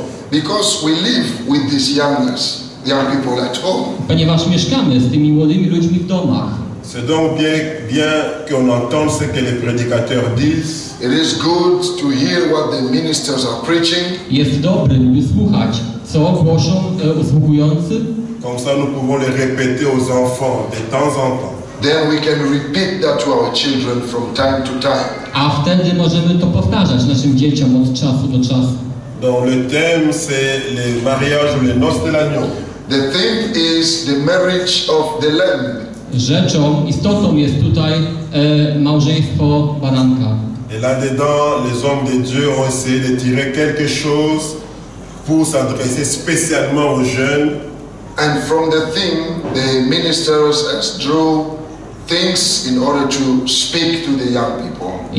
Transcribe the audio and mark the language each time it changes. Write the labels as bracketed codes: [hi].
[en] Because we live with these young people at home. [pl] Ponieważ mieszkamy z tymi młodymi ludźmi w domach. [fr] C'est donc bien qu'on entende ce que les prédicateurs disent. [en] It is good to hear what the ministers are preaching. [pl] Jest dobre, by słuchać, co głoszą usługujący. [fr] Comme ça, nous pouvons les répéter aux enfants de temps en temps. [en] Then we can repeat that to our children from time to time. [pl] A wtedy możemy to powtarzać naszym dzieciom od czasu do czasu. [fr] Donc le thème c'est les mariages ou les noces de l'agneau. [en] The theme is the marriage of the lamb. [pl] Rzeczą istotą jest tutaj małżeństwo baranka. [fr] Et là-dedans, les hommes de Dieu ont essayé de tirer quelque chose pour s'adresser spécialement aux jeunes. [en] And from the theme, the ministers drew things in order to speak to the young people.